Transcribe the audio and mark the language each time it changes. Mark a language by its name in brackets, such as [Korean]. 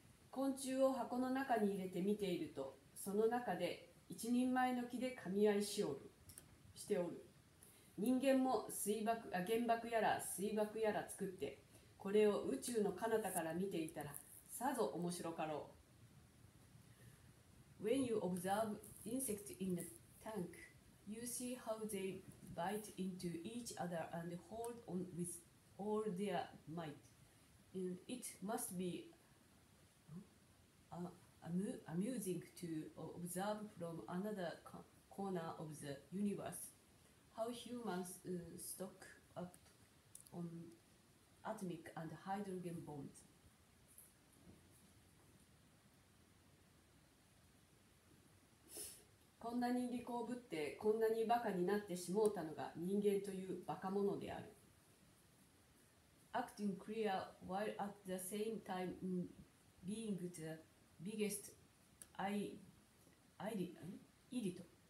[Japanese] 昆虫を箱の中に入れて見ていると、その中で一人前の木で噛み合いしおる。しておる。人間も原爆やら水爆やら作って、これを宇宙の彼方から見ていたらさぞ面白かろう。 [English] When you observe insects in a tank, you see how they bite into each other and hold on with all their might. It must be amusing to observe from another corner of the universe. How humans stock up on atomic and hydrogen bombs. 。 [Japanese] こんなに利口ぶってこんなにバカになってしもうたのが人間というバカ者である。 [English] Acting clear while at the same time being the biggest idiot.